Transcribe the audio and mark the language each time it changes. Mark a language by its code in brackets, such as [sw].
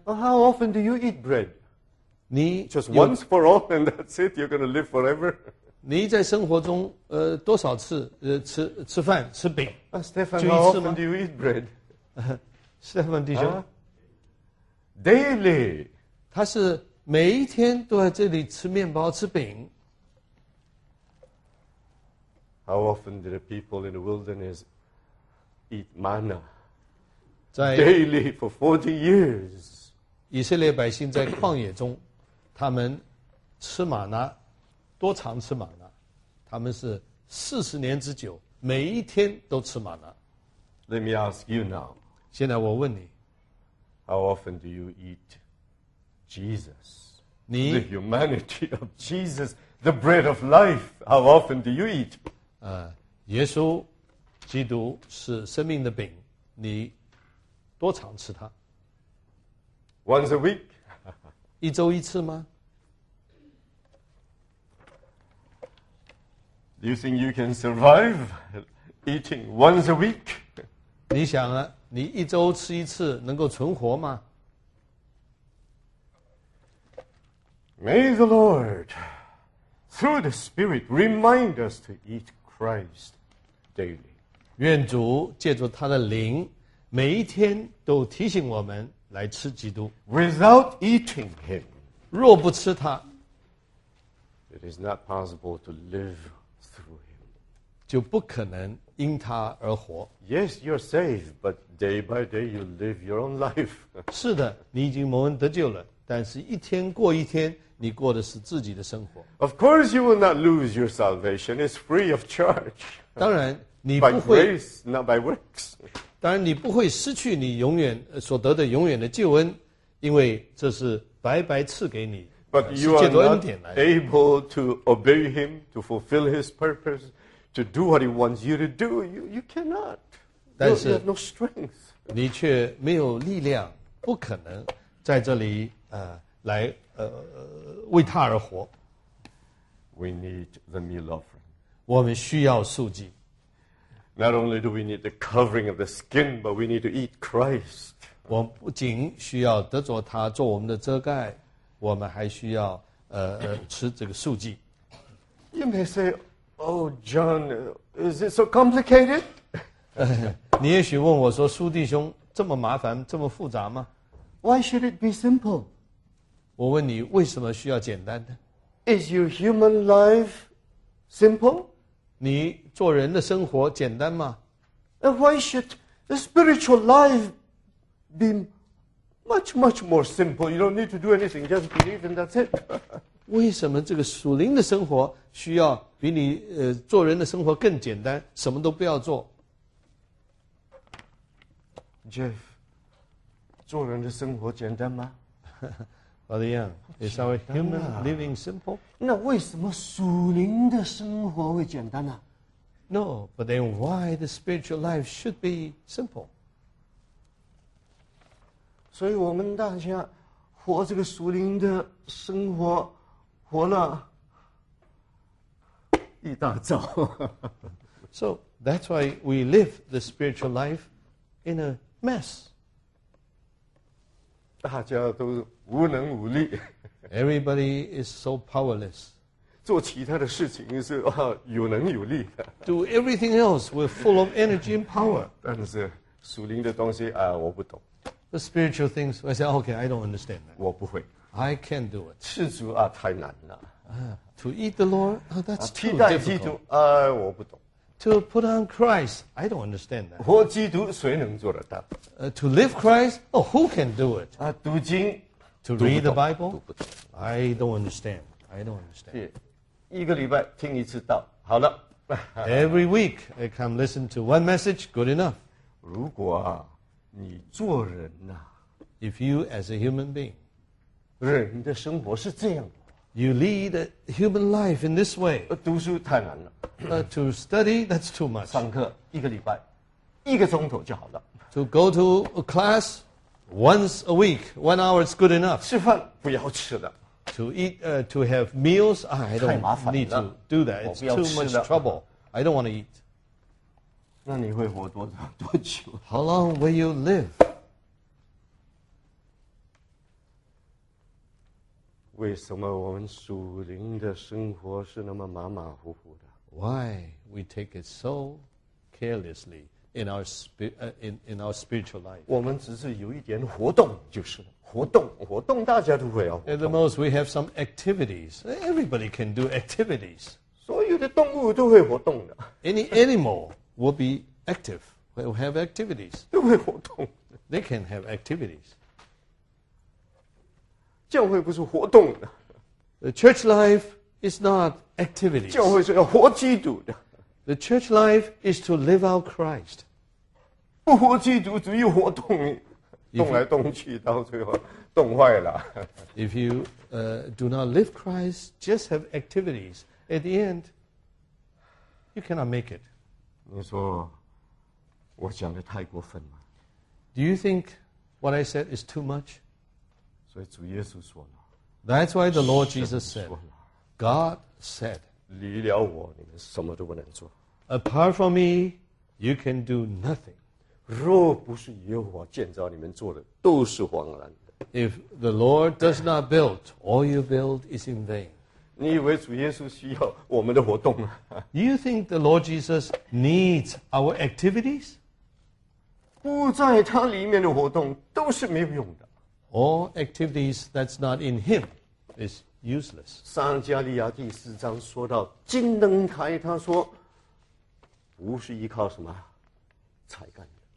[en] Well, how often do you eat bread? [zh] 你 [en] Just once for all and that's it, you're going to live forever. [zh] 你在生活中多少次吃饭吃饼、 [en] Stefan, how often do you eat bread? [zh] Stefan 弟兄、 [en] Daily. [zh] 他是每一天都在这里吃面包吃饼。 [en] How often did the people in the wilderness eat manna? Daily for 40 years. [zh] 以色列百姓在旷野中他们吃玛纳，多长吃玛纳？他们是四十年之久，每一天都吃玛纳。 [en] Let me ask you now. [zh] 现在我问你 [en] ，How often do you eat Jesus? [zh] 你 [en] the humanity of Jesus, the bread of life. How often do you eat? [zh] 耶稣基督是生命的饼，你多长吃它 [en] ？Once a week. [zh] 一周一次吗 [en] ？Do you think you can survive eating once a week? [zh] 你想啊，你一周吃一次能够存活吗 [en] ？May the Lord through the Spirit remind us to eat Christ daily. [zh] 愿主借助他的灵，每一天都提醒我们来吃基督。 [en] Without eating Him. [zh] 若不吃它 [en] ，It is not possible to live through him. [zh] 就不可能因他而活。 [en] Yes, you're saved, but day by day you live your own life. [zh] 是的，你已经蒙恩得救了，但是一天过一天，你过的是自己的生活。 [en] Of course, you will not lose your salvation. It's free of charge. [zh] 当然，你不会。 [en] By grace, not by works. [zh] 当然，你不会失去你永远所得的永远的救恩，因为这是。白白赐给你 [en] But you are not able to obey him, to fulfill his purpose, to do what he wants you to do. You cannot. You have no strength. [zh] 你却没有力量，不可能在这里来为他而活。 [en] We need the meal offering. [zh] 我们需要素祭。 [en] Not only do we need the covering of the skin, but we need to eat Christ. [zh] 我们不仅需要得着他做我们的遮盖，我们还需要吃这个素祭。 [en] You may say, "Oh, John, is it so complicated?" [zh] 你也许问我说，苏弟兄，这么麻烦，这么复杂吗 [en] ？Why should it be simple? [zh] 我问你，为什么需要简单的 [en] ？Is your human life simple? [zh] 你做人的生活简单吗 [en] ？Why should the spiritual life? Be much, much more simple. You don't need to do anything. Just believe and that's it. [zh] 为什么这个属灵的生活需要比你做人的生活更简单？什么都不要做。 Jeff, 做人的生活简单吗 [en] ？Brother Young, is our human living simple? [zh] 那为什么属灵的生活会简单呢 [en] ？No, but then why the spiritual life should be simple? [zh] 所以我们大家活这个属灵的生活活了一大早。 [en] So that's why we live the spiritual life in a mess. [zh] 大家都无能无力。 [en] Everybody is so powerless. [zh] 做其他的事情是有能有力的。 [en] Do everything else with full of energy and power. [zh] 但是属灵的东西我不懂。 [en] The spiritual things, I say, okay, I don't understand that. [zh] 我不会。 [en] I can't do it. [zh] 吃主太难了。 [en] To eat the Lord, that's too difficult. [zh] 替代基督，我不懂。 [en] To put on Christ, I don't understand that. [zh] 活基督谁能做得到 [en] To live Christ, oh, who can do it? [zh] 啊，读经 [en] To read the Bible, [zh] 读不懂 [en] I don't understand. I don't understand. [zh] 一个礼拜听一次道，好了。 [en] Every week, I come listen to one message, good enough. [zh] 如果、啊、你做人呐、啊、 [en] If you as a human being, [zh] 人的生活是这样的 [en] You lead a human life in this way. [zh] 读书太难了。 [en] To study, that's too much. [zh] 上课一个礼拜，一个钟头就好了。 [en] To go to a class once a week, 1 hour is good enough. [zh] 吃饭不要吃的。 [en] To eat, to have meals, I don't need to do that. It's too much trouble. I don't want to eat. [zh] 那你会活多久 [en] How long will you live? [zh] 为什么我们属灵的生活是那么马马虎虎的？ [en] Why we take it so carelessly in our in our spiritual life? [zh] 我们只是有一点活动就是了，活动活动，大家都会要活动。 [en] At the most, we have some activities. Everybody can do activities. [zh] 所有的动物都会活动的。 [en] Any animal will be active. Will have activities. [zh] 都会活动。 [en] They can have activities. [zh] 教会不是活动的。 [en] The church life. It's not activities. [zh] 教会是要活基督的。 [en] The church life is to live out Christ. [zh] 不活基督，只有活动，动来动去，到最后动坏了。 [en] If you do not live Christ, just have activities. At the end, you cannot make it. [zh] 你说我讲的太过分了。 [en] Do you think what I said is too much? [zh] 所以主耶稣说了。 [en] That's why the Lord Jesus said. God said, [zh] 离了我，你们什么都不能做。 [en] Apart from me, you can do nothing. [zh] 若不是耶和华建造，你们做的都是枉然的。 [en] If the Lord does not build, all you build is in vain. [zh] 你以为主耶稣需要我们的活动吗？ [en] You think the Lord Jesus needs our activities? [zh] 不在他里面的活动都是没有用的。 [en] All activities that's not in him is useless. [zh] 撒加利亚第四章说到金灯台，他说不是依靠什么才干的。